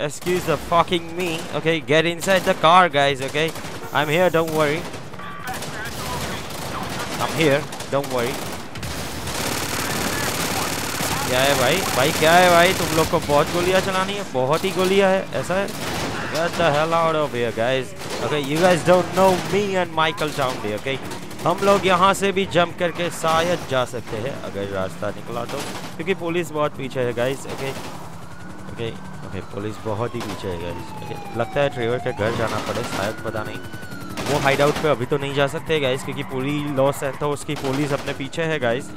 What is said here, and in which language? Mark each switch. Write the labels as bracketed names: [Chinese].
[English] Excuse the fucking me. Okay get inside the car guys. Okay I am here, don't worry, I'm here, don't worry. [Hindi] क्या है भाई, भाई क्या है भाई, तुम लोग को बहुत गोलियाँ चलानी है, बहुत ही गोलियाँ है, ऐसा है? [English] Get the hell out of here, guys. Okay, you guys don't know me and Michael down there, okay? [Hindi] हम लोग यहाँ से भी जंप करके शायद जा सकते हैं अगर रास्ता निकला तो, क्योंकि पुलिस बहुत पीछे है guys, okay? Okay, okay, police बहुत ही पीछे है guys. Okay, लगता है ट्रेवर के घर जाना पड़े, शायद पता नहीं, वो हाइड आउट पर अभी तो नहीं जा सकते गाइस, क्योंकि पूरी लॉस सैंटोस की पुलिस अपने पीछे है गाइस.